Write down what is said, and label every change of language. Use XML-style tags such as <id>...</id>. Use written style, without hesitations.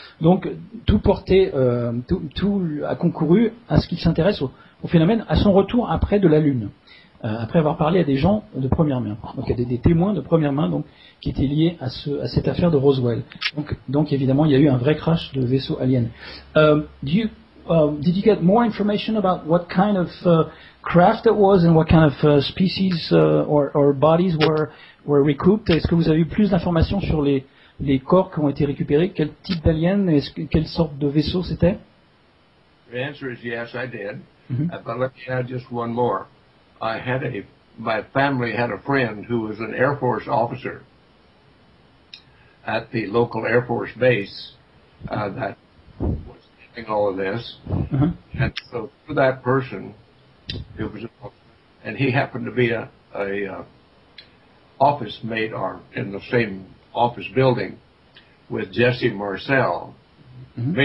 <fr>Donc tout portait tout a concouru à ce qu'il s'intéresse au phénomène à son retour après de la Lune. Après avoir parlé à des gens de première main, donc à des témoins de première main, donc qui étaient liés à cette affaire de Roswell. Donc évidemment, il y a eu un vrai crash de vaisseau alien.</fr> <en>Did you get more information about what kind of craft it was and what kind of species or bodies were recouped?</en> <fr>Est-ce que vous avez eu plus d'informations sur les corps qui ont été récupérés? Quel type d'alien et quelle sorte de vaisseau c'était?</fr> <en>The answer is yes, I did. But let me add just one more. My family had a friend who was an Air Force officer at the local Air Force base that was doing all of this. Uh-huh. And so for that person, it was, and he happened to be a office mate or in the same office building with Jesse Marcel, uh-huh.</en>